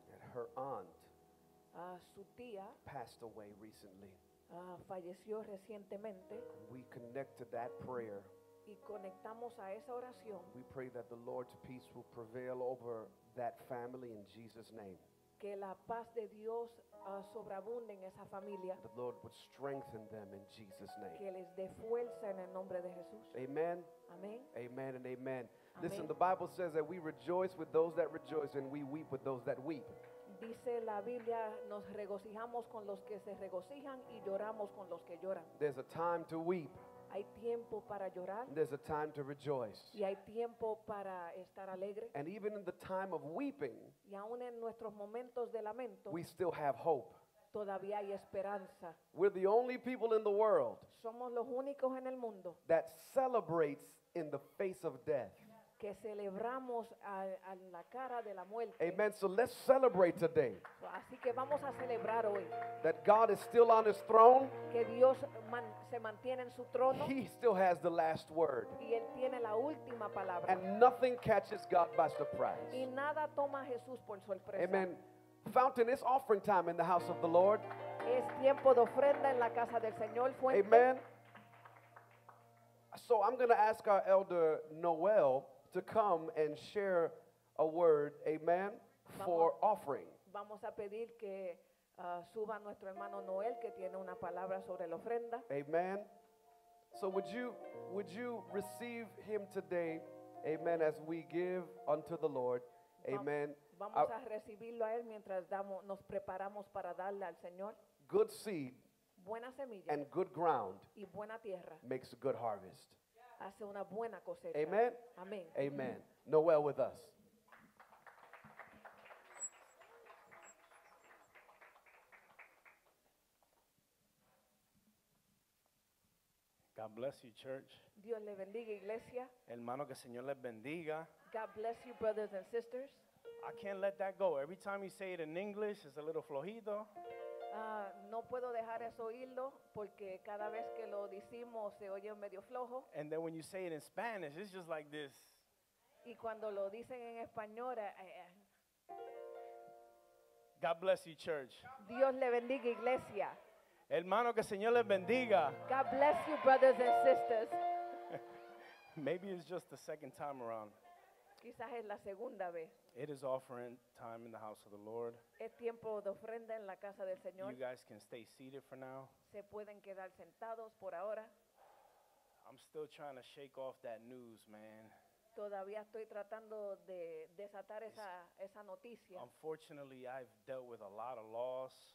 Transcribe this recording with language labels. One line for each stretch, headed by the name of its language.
English: And her aunt.
Spanish: Su tía.
English: Passed away recently.
Spanish: Falleció recientemente.
English: We connect to that prayer.
Spanish: Y conectamos a esa oración.
English: We pray that the Lord's peace will prevail over that family in Jesus' name.
Spanish: Que la paz de Dios sobreabunde en esa familia.
English: The Lord would strengthen them in Jesus' name.
Spanish: Que les dé fuerza en el nombre de Jesús.
English: Amen. Amen. Amen and amen. Amen. Listen, the Bible says that we rejoice with those that rejoice and we weep with those that weep.
Spanish: Dice la Biblia, nos regocijamos con los que se regocijan y lloramos con los que lloran.
English: There's a time to weep.
Spanish: Hay tiempo para llorar.
English: There's a time to rejoice.
Spanish: Y hay tiempo para estar alegre.
English: And even in the time of weeping,
Spanish: y aún en nuestros momentos de lamento,
English: we still have hope.
Spanish: Todavía hay esperanza.
English: We're the only people in the world,
Spanish: somos los únicos en el mundo,
English: that celebrates in the face of death.
Spanish: Que celebramos a la cara de la muerte.
English: Amen. So let's celebrate today.
Spanish: Así que vamos a celebrar hoy.
English: That God is still on his throne.
Spanish: Que Dios se mantiene en su trono.
English: He still has the last word.
Spanish: Y él tiene la última palabra.
English: And nothing catches God by surprise.
Spanish: Y nada toma a Jesús por sorpresa.
English: Amen. Fountain, it's offering time in the house of the Lord.
Spanish: Es tiempo de ofrenda en la casa del Señor. Fuente.
English: Amen. So I'm going to ask our elder Noel to come and share a word, amen, for offering.
Spanish: Vamos a pedir que suba nuestro hermano Noel que tiene una palabra sobre la ofrenda.
English: Amen. So would you receive him today, amen, as we give unto the Lord, amen.
Spanish: Vamos a recibirlo a él mientras damos, nos preparamos para darle al Señor.
English: Good seed.
Spanish: Buena semilla.
English: And good ground.
Spanish: Y buena tierra.
English: Makes a good harvest.
Spanish: Hace una buena cosecha.
English: Amen. Amen. Amen. Noel with us. God bless you, church.
Spanish: Dios le bendiga, iglesia. Hermano, que Señor les bendiga.
English: God bless you, brothers and sisters. I can't let that go. Every time you say it in English, it's a little flojito.
Spanish: No puedo dejar eso hilo porque cada vez que lo decimos se oye medio flojo.
English: And then when you say it in Spanish, it's just like this.
Spanish: Y cuando lo dicen en español,
English: God bless you, church.
Spanish: Dios le bendiga, iglesia. Hermano, que Señor les bendiga.
English: God bless you, brothers and sisters. Maybe it's just the second time around.
Spanish: Quizás es la segunda vez.
English: It is offering time in the house of the Lord.
Spanish: Es tiempo de ofrenda en la casa del Señor.
English: You guys can stay seated for now.
Spanish: Se pueden quedar sentados por ahora.
English: I'm still trying to shake off that news, man.
Spanish: Todavía estoy tratando de desatar esa noticia.
English: Unfortunately, I've dealt with a lot of loss.